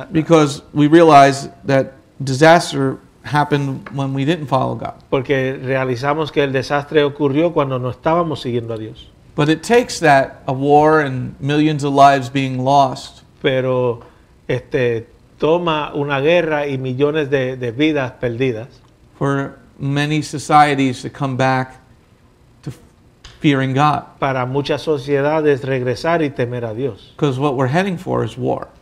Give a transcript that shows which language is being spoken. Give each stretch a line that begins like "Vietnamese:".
English: Because we realize that disaster happened when we didn't follow God.
Spanish: Porque realizamos que el desastre ocurrió cuando no estábamos siguiendo a Dios.
English: But it takes that a war and millions of lives being lost.
Spanish: Pero toma una guerra y millones de vidas perdidas.
English: For many societies to come back to fearing God.
Spanish: Para muchas sociedades regresar y temer a Dios.
English: Because what we're heading for is war.